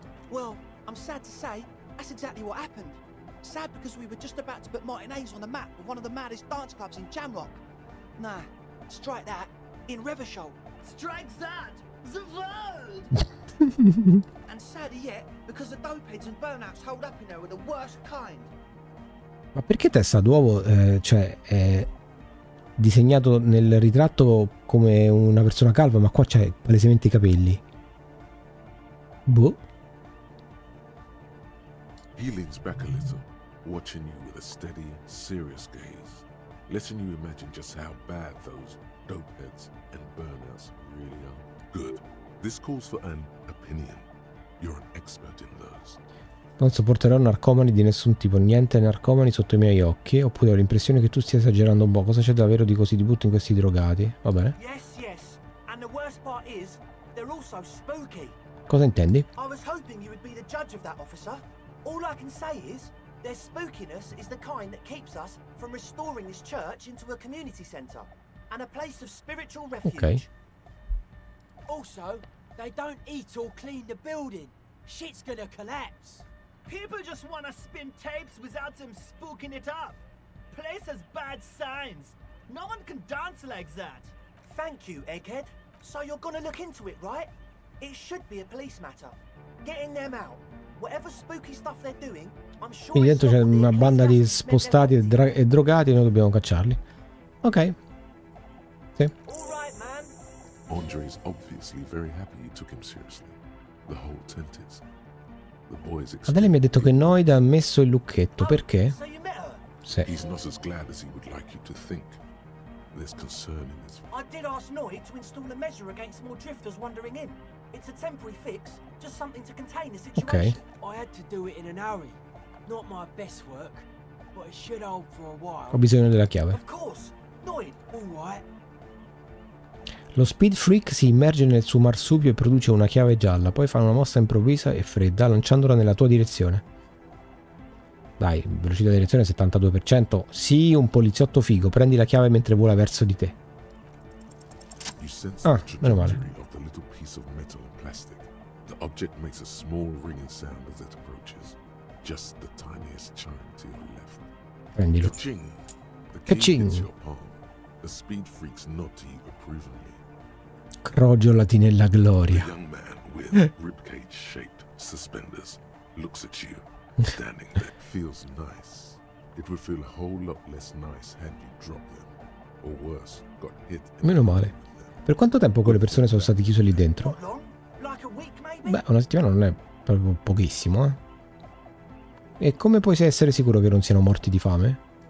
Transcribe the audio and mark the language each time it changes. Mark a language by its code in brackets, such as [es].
[en] Well, I'm sad to say, that's exactly what happened. Sad because we were just about to put Martin Hayes on the map with one of the maddest dance clubs in Jamrock. Nah, strike that. In Revershol. Strike that! The world! And sadder yet, because the dopeheads and burnouts hold up in there were the worst kind. [it] Ma perché Testa d'Uovo cioè, è disegnato nel ritratto come una persona calva, ma qua c'è palesemente i capelli? Boh. [en] He leans back a little, watching you with a steady, serious gaze, letting you imagine just how bad those dope heads and burnouts really are. Good. This calls for an opinion. You're an expert in those. [it] Non sopporterò narcomani di nessun tipo, niente narcomani sotto i miei occhi, oppure ho l'impressione che tu stia esagerando un po'. Cosa c'è davvero di così di brutto in questi drogati? Va bene. [en] Yes, yes. And the worst part is, they're also spooky. [it] Cosa intendi? [en] I was hoping you would be the judge of that, officer. All I can say is, their spookiness is the kind that keeps us from restoring this church into a community center and a place of spiritual refuge. Okay. Also, they don't eat or clean the building. Shit's gonna collapse. People just wanna spin tapes without them spooking it up. Place has bad signs. No one can dance like that. Thank you, Egghead. So you're gonna look into it, right? It should be a police matter. Getting them out. Whatever spooky stuff they're doing, I'm sure. [it] Quindi dentro c'è una banda di spostati e drogati e noi dobbiamo cacciarli. Ok. Sì. [en] All right, man. Andre is obviously very happy you took him seriously. The whole tent is. [it] Adele mi ha detto che Noida ha messo il lucchetto, perché? Sì. [en] He's not as glad as he would like you to think. There's concern in this. I did ask Noid to install a measure against more drifters wandering in. It's a temporary fix, just something to contain the situation. Okay. I had to do it in an hurry. Not my best work, but it should hold for a while. [it] Ho bisogno della chiave. [en] Of course. Noid, all right. [it] Lo Speed Freak si immerge nel suo marsupio e produce una chiave gialla, poi fa una mossa improvvisa e fredda lanciandola nella tua direzione. Dai, velocità di reazione 72%. Sì, un poliziotto figo, prendi la chiave mentre vola verso di te. Ah, meno male. [en] The little piece of metal and plastic. The object makes a small ringing sound as it approaches. Just the tiniest chime to your left. [it] Prendilo. [en] Ka-ching. The Speed Freak's nod to you approvingly. [it] Crogiolati nella gloria. [en] A young man with ribcage shaped suspenders looks at you standing there. Feels nice. It would feel a whole lot less nice had you dropped them. Or worse, got hit. [it] Meno male. Per quanto tempo quelle persone sono state chiuse lì dentro? Beh, una settimana non è proprio pochissimo, eh. E come puoi essere sicuro che non siano morti di fame?